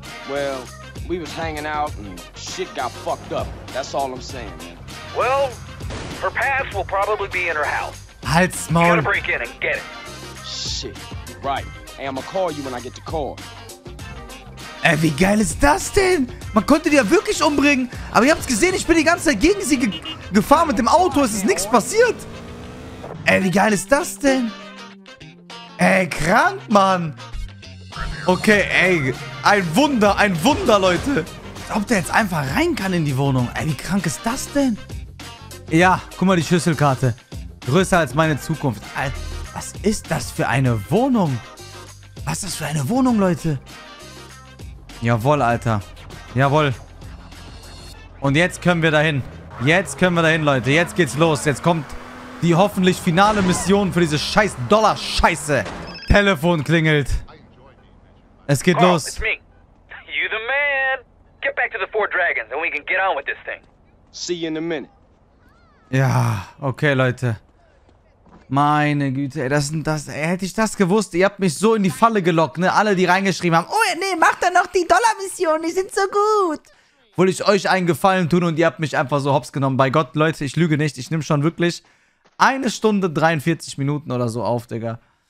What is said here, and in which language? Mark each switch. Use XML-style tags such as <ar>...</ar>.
<en>Well, we was hanging out and shit got fucked up. That's all I'm saying, man. Well, her pass will probably be in her house.</en> <de>Halt's Maul.</de> <en>Gotta break in and get it. Shit. Right. Hey, I'ma call you when I get the call.</en> <de>Ey, wie geil ist das denn? Man konnte die ja wirklich umbringen. Aber ihr habt es gesehen, ich bin die ganze Zeit gegen sie gefahren mit dem Auto. Es ist nichts passiert. Ey, wie geil ist das denn? Ey, krank, Mann. Okay, ey. Ein Wunder, Leute. Ob der jetzt einfach rein kann in die Wohnung. Ey, wie krank ist das denn? Ja, guck mal, die Schlüsselkarte. Größer als meine Zukunft. Alter, was ist das für eine Wohnung? Was ist das für eine Wohnung, Leute? Jawohl, Alter. Jawohl. Und jetzt können wir dahin. Jetzt können wir dahin, Leute. Jetzt geht's los. Jetzt kommt die hoffentlich finale Mission für diese scheiß Dollar-Scheiße. Telefon klingelt. Es geht</de> <en>Carl,</en> <de>los.</de> <en>It's me. You the man. Get back to the four dragons and we can get on with this thing. See you in a minute.</en> <de>Ja, okay, Leute. Meine Güte, ey, hätte ich das gewusst, ihr habt mich so in die Falle gelockt, ne? Alle, die reingeschrieben haben, oh, nee, mach doch noch die Dollar-Mission, die sind so gut. Wollte ich euch einen Gefallen tun und ihr habt mich einfach so hops genommen. Bei Gott, Leute, ich lüge nicht, ich nehme schon wirklich 1 Stunde 43 Minuten oder so auf, Digga.</de>